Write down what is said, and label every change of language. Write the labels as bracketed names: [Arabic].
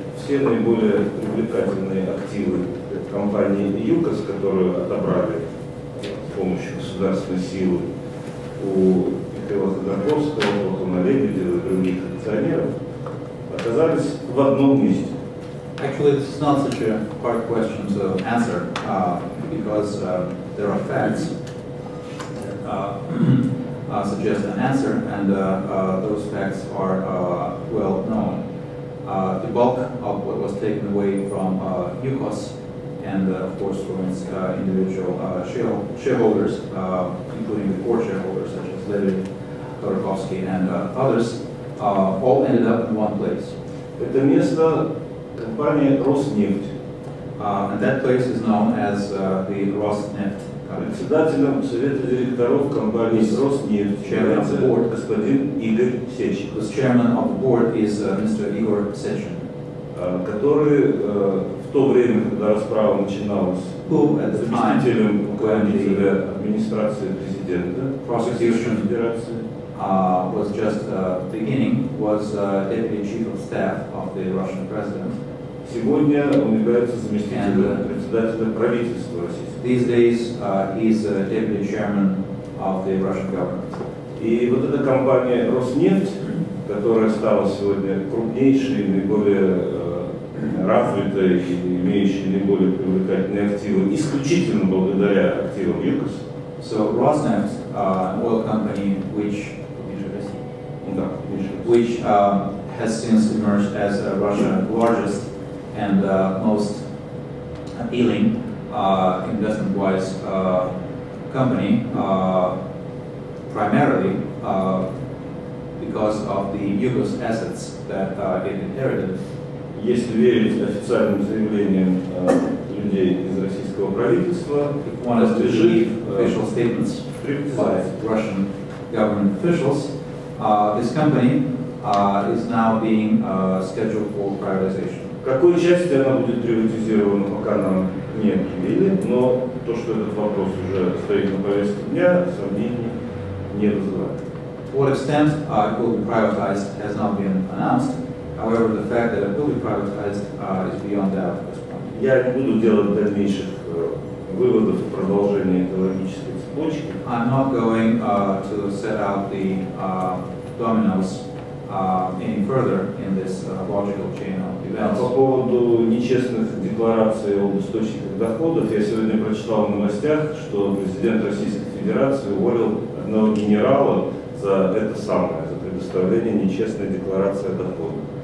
[Russian] Все наиболее привлекательные активы компании «Yukos», которую отобрали с помощью государственной силы у Михаила Ходорковского, Платона Лебедева и других акционеров, оказались в одном месте. [English] Actually, this is not such a hard question to answer, because there are facts. Suggest an answer, and those facts are well known. The bulk of what was taken away from Yukos and, of course, from its individual shareholders, including the core shareholders such as Levin, Khodorkovsky, and others, all ended up in one place. [Russian] Это место компании Роснефть. [English] And that place is known as the Роснефть. [Russian] Председателем совета директоров компании Роснефть является господин Игорь Сечин. [English] The chairman of the board is Mr. Igor Sechin, [Russian] который в то время, когда расправа начиналась, [English] who at the [Russian] заместителем руководителя администрации президента, [English] prosecution [Russian] федерации, [English] was just beginning, was deputy chief of staff of the Russian president. [Russian] Сегодня он является заместителем председателя правительства России. [English] These days, he's the deputy chairman of the Russian government. [Russian] И вот эта компания Роснефть, которая стала сегодня крупнейшей, наиболее развитой и имеющей наиболее привлекательные активы, исключительно благодаря активам Yukos. [English] So Rosneft, oil company, which has since emerged as Russia's largest and most appealing investment-wise company, primarily because of the Yukos assets that it inherited. [Russian] Если верить официальным заявлениям людей из российского правительства, [English] if one is to believe official statements by Russian government officials, this company is now being scheduled for privatization. [Russian] Какой части она будет приватизирована, пока нам не объявили, но то, что этот вопрос уже стоит на повестке дня, сомнений не вызывает. [English] To what extent it will be privatized has not been announced. However, the fact that it will be privatized is beyond doubt at this point. [Russian] Я не буду делать дальнейших выводов о продолжении этой логической цепочки. [English] I'm not going to set out the dominoes any further in this logical chain of events. [Russian] По поводу нечестных деклараций об источниках доходов, я сегодня прочитал в новостях, что президент Российской Федерации уволил одного генерала за это самое, за предоставление нечестной декларации о доходах.